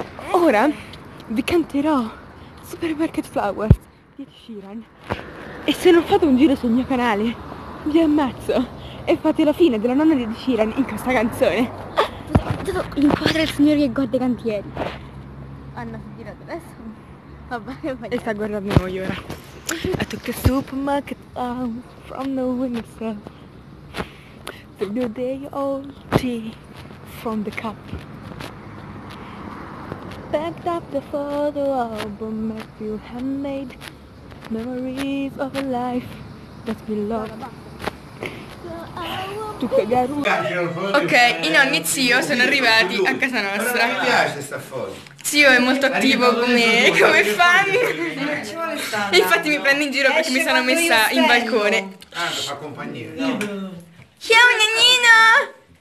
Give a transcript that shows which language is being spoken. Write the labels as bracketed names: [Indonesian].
[Italian] Ora vi canterò Supermarket Flowers di Sheeran, e se non fate un giro sul mio canale vi ammazzo e fate la fine della nonna di Sheeran in questa canzone. Devo inquadrare il signore che gode i cantieri. Hanno girato adesso, vabbè, e sta guardando noi ora. [English] I took the supermarket flowers from the window, the new day old tea from the cup, backed up the photo album, a few handmade memories of a life that we love. [Italian] Ok, i nonni zio sono arrivati a casa nostra. Mi piace sta foto. Zio è molto attivo come fan. Infatti mi prende in giro perché mi sono messa in balcone. Tanto fa compagnia, no? Ciao nannino!